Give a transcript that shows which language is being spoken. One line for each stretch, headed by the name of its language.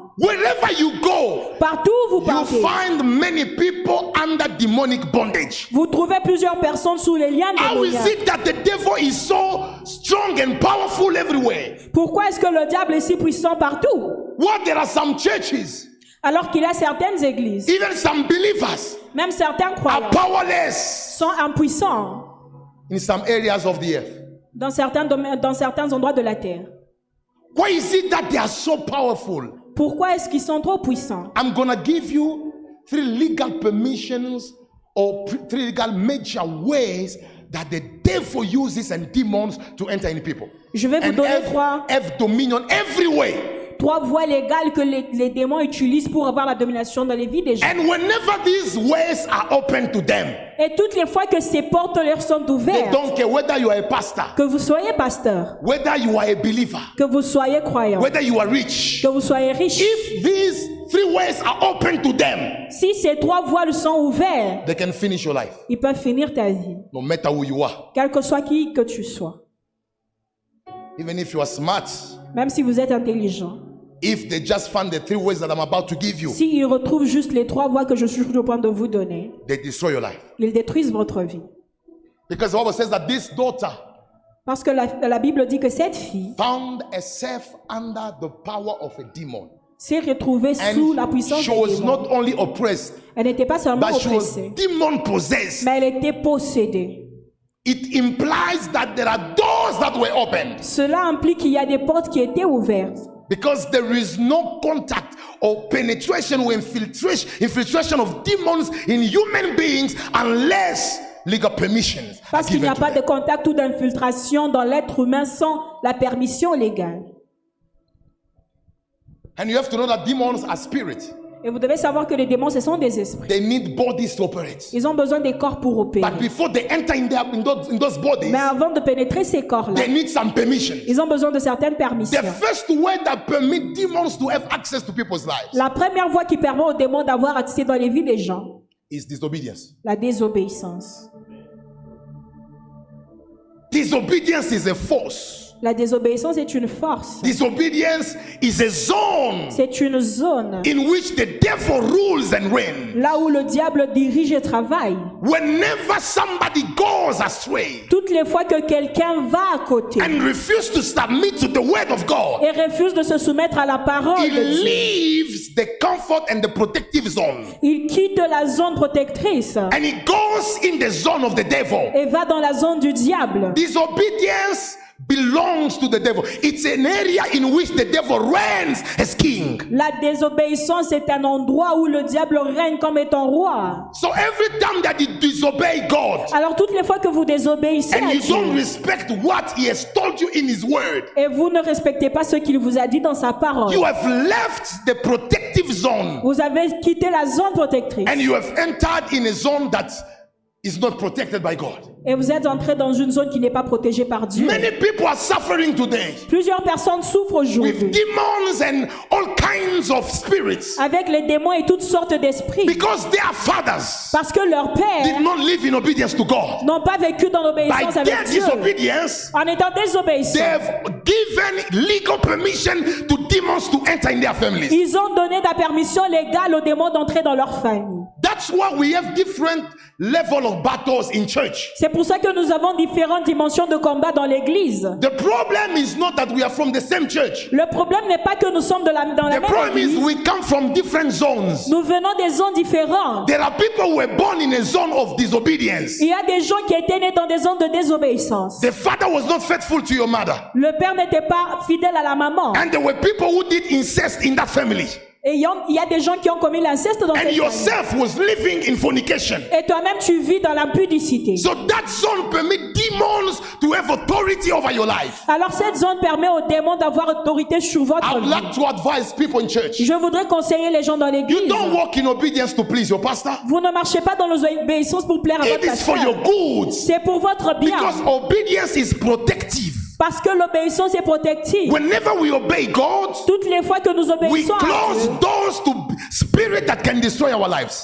English: Wherever you go,
French: partout où vous partez,
English: you find many people under demonic bondage.
French: Vous trouvez plusieurs personnes sous les liens démoniaques.
English: How is it that the devil is so strong and powerful everywhere?
French: Pourquoi est-ce que le diable est si puissant partout?
English: What, there are some churches,
French: alors qu'il y a certaines églises,
English: even some believers,
French: même certains croyants,
English: are powerless,
French: sont impuissants,
English: in some areas of the earth,
French: dans certains endroits de la terre.
English: Why is it that they are so powerful?
French: Pourquoi est-ce qu'ils sont trop puissants?
English: I'm gonna give you three legal permissions or three legal major ways that the devil uses and demons to enter in people.
French: Je vais vous
English: and
French: donner trois.
English: Have dominion everywhere.
French: Trois voies légales que les démons utilisent pour avoir la domination dans les vies des gens.
English: And whenever these ways are open to them,
French: et toutes les fois que ces portes leur sont ouvertes,
English: they don't care whether you are a pastor,
French: que vous soyez pasteur,
English: whether you are a believer,
French: que vous soyez croyant,
English: whether you are rich,
French: que vous soyez riche,
English: if these three ways are open to them,
French: si ces trois voies sont ouvertes,
English: they can finish your life,
French: ils peuvent finir ta vie,
English: no matter who you are,
French: quel que soit qui que tu sois,
English: even if you are smart,
French: même si vous êtes intelligent.
English: If they just find the three ways that I'm about to give you,
French: si ils retrouvent juste les trois voies que je suis au point de vous donner,
English: they destroy your life.
French: Ils détruisent votre vie.
English: Because the Bible says that this daughter
French: Parce que la Bible dit que cette fille
English: found herself under the power of a demon.
French: S'est retrouvée sous la puissance du démon.
English: She was not only oppressed.
French: Elle n'était pas seulement oppressée.
English: But she was demon possessed.
French: Mais elle était possédée.
English: It implies that there are doors that were opened.
French: Cela implique qu'il y a des portes qui étaient ouvertes.
English: Because there is no contact or penetration or infiltration of demons in human beings unless legal permissions.
French: Parce qu'il n'y a pas de contact ou d'infiltration dans l'être humain sans la permission légale.
English: And you have to know that demons are spirits.
French: Et vous devez savoir que les démons, ce sont des esprits.
English: They need bodies to operate.
French: Ils ont besoin des corps pour opérer.
English: But before they enter in those bodies,
French: mais avant de pénétrer ces corps-là,
English: they need some permission.
French: Ils ont besoin de certaines permissions.
English: The first way that permit demons to have access to people's lives,
French: la première voie qui permet aux démons d'avoir accès dans les vies des gens,
English: is disobedience.
French: La désobéissance.
English: Disobedience is a force.
French: La désobéissance est une force.
English: Disobedience is a zone.
French: C'est une zone.
English: In which the devil rules and reigns.
French: Là où le diable dirige et travaille.
English: Whenever somebody goes astray.
French: Toutes les fois que quelqu'un va à côté.
English: And refuses to submit to the word of God.
French: Et refuse de se soumettre à la parole.
English: He leaves the comfort and the protective zone.
French: Il quitte la zone protectrice.
English: And he goes in the zone of the devil.
French: Et va dans la zone du diable.
English: Disobedience belongs to the devil. It's an area in which the devil reigns as king.
French: La désobéissance est un endroit où le diable règne comme étant roi.
English: So every time that you disobey God,
French: alors toutes les fois que vous désobéissez
English: and
French: à
English: you
French: Dieu,
English: don't respect what he has told you in his word,
French: et vous ne respectez pas ce qu'il vous a dit dans sa parole,
English: you have left the protective zone.
French: Vous avez quitté la zone protectrice.
English: And you have entered in a zone that is not protected by God.
French: Et vous êtes entré dans une zone qui n'est pas protégée par Dieu.
English: Many people are suffering today.
French: Plusieurs personnes souffrent aujourd'hui.
English: With demons and all kinds of spirits.
French: Avec les démons et toutes sortes d'esprits.
English: Because their fathers.
French: Parce que leurs pères.
English: Did not live in obedience to God.
French: N'ont pas vécu dans l'obéissance avec Dieu.
English: By their disobedience.
French: En étant désobéissants.
English: They have given legal permission to demons to enter in their families.
French: Ils ont donné la permission légale aux démons d'entrer dans leur famille.
English: That's why we have different level of battles in church.
French: C'est pour ça que nous avons différentes dimensions de combat dans l'église.
English: The problem is not that we are from the same church.
French: Le problème n'est pas que nous sommes dans la même église.
English: The problem is we come from different zones.
French: Nous venons des zones différentes.
English: There are people who were born in a zone of disobedience.
French: Il y a des gens qui étaient nés dans des zones de désobéissance.
English: The father was not faithful to your mother.
French: Le père n'était pas fidèle à la maman.
English: And there were people who did incest in that family.
French: Et il y a des gens qui ont commis l'inceste dans
English: and yourself
French: famille.
English: Was living in fornication.
French: Et toi-même tu vis dans la pudicité.
English: So that zone permit demons to have authority over your life.
French: Alors cette zone permet aux démons d'avoir autorité sur votre
English: I would
French: vie.
English: Like to advise people in church.
French: Je voudrais conseiller les gens dans l'église.
English: You don't walk in obedience to please your pastor.
French: Vous ne marchez pas dans l'obéissance pour plaire
English: it
French: à votre
English: is
French: pasteur.
English: For your good.
French: C'est pour votre bien.
English: Because obedience is protective.
French: Parce que l'obéissance est protective.
English: Whenever we obey God,
French: toutes les fois que nous obéissons,
English: we close doors to spirit that can destroy our lives.